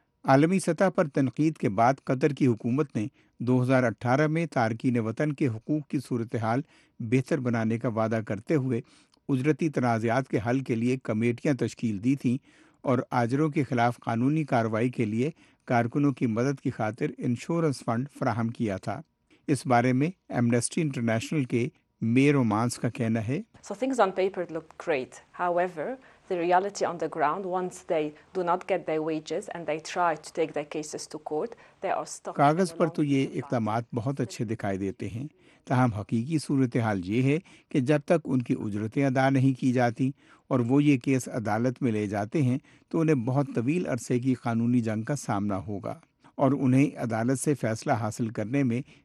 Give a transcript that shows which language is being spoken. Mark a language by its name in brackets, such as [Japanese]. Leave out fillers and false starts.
[Urdu] عالمی سطح پر تنقید کے بعد قطر کی حکومت نے 2018 میں تارکین وطن کے حقوق کی صورتحال بہتر بنانے کا وعدہ کرتے ہوئے اجرتی تنازعات کے حل کے لیے کمیٹیاں تشکیل دی تھیں اور آجروں کے خلاف قانونی کارروائی کے لیے کارکنوں کی مدد کی خاطر انشورنس فنڈ فراہم کیا تھا۔ اس بارے میں ایمنسٹی انٹرنیشنل کے میئر رومانس کا کہنا ہے۔ [English] So things on paper looked great. However, the reality on the ground, once they do not get their wages and they try to take their cases to court, they are stuck. [Urdu] کاغذ پر تو یہ اقدامات بہت اچھے دکھائی دیتے ہیں، تاہم حقیقی صورتحال یہ ہے کہ جب تک ان کی اجرتیں ادا نہیں کی جاتی اور وہ یہ کیس عدالت میں لے جاتے ہیں تو انہیں بہت طویل عرصے کی قانونی جنگ کا سامنا ہوگا اور انہیں عدالت سے فیصلہ حاصل کرنے میں